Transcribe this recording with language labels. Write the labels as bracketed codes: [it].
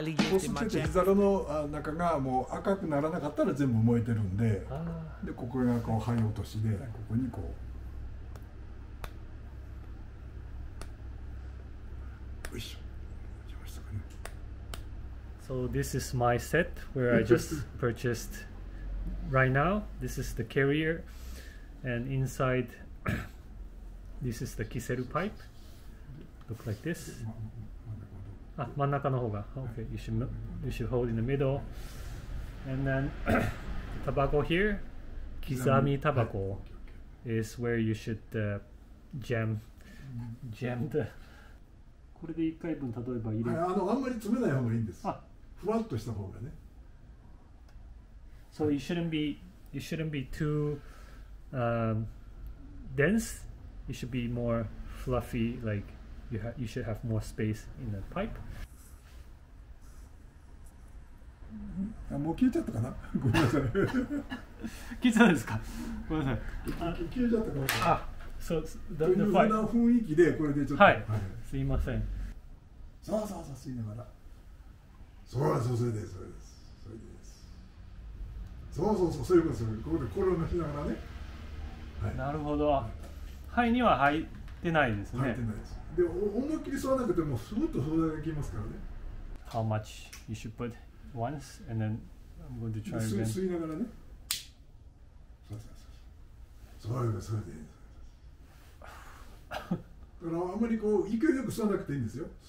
[ja] こうすってて火皿の中がもう赤くならなかったら全部燃えてるん で、 でここがこう灰落としで、ここにこうよいしょ。 [en] So this is my set where I just purchased right now. This is the carrier and inside this is the kisel pipe. Look like this. [ja] あ、真ん中の方が、OK、はい、 [en] you should hold in the middle. And then, タバコ here, 刻みタバコ is where you should jam the... [ja] これで1回分、例えば入れ、はい、あんまり詰めない方がいいんです。あ、ふわっとした方がね。 [en] So you shouldn't be too dense. You should be more fluffy, like... You should have more space in the pipe. [ja] もう消えちゃったかな。ごめんなさい。消えちゃったですか。ごめんなさい。消えちゃったかな。あ、そう、だいぶな雰囲気でこれでちょっと。はい。はい、すいません。さあさあさあ吸いながら。そうそうそうですそうですそうです。そうそうそうそういうことです。これを吸いながらね。なるほど。肺には入ってないんですね。入ってないです。で、思いっきり吸わなくても、スムッと吸うだけできますからね。 [en] How much you should put once, and then I'm going to try again. [ja] 吸いながらね。そうです。だからあまりこう勢いよく吸わなくていいんですよ。